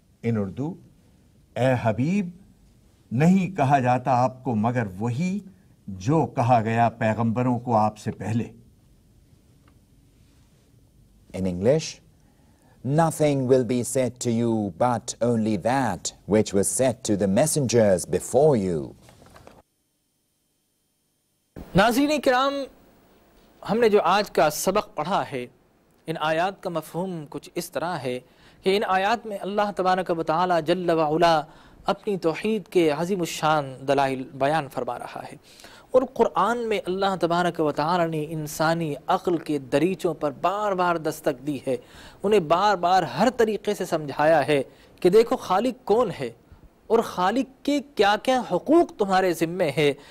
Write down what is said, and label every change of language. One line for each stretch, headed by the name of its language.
English: In Urdu,
Urdu: اے حبیب, نہیں کہا جاتا آپ کو مگر وہی جو کہا گیا پیغمبروں کو آپ سے پہلے.
English: In English, nothing will be said to you but only that which was said to the messengers before you.
Urdu: ناظرین کرام, ہم نے جو آج کا سبق پڑھا ہے, ان آیات کا مفہوم کچھ اس طرح ہے کہ ان آیات میں اللہ تبارک و تعالی جل و علا اپنی توحید کے عظیم الشان دلائل بیان فرما رہا ہے, اور قرآن میں اللہ تبارک و تعالی نے انسانی عقل کے دریچوں پر بار بار دستک دی ہے, انہیں بار بار ہر طریقے سے سمجھایا ہے کہ دیکھو خالق کون ہے اور خالق کے کیا کیا حقوق تمہارے ذمے ہیں.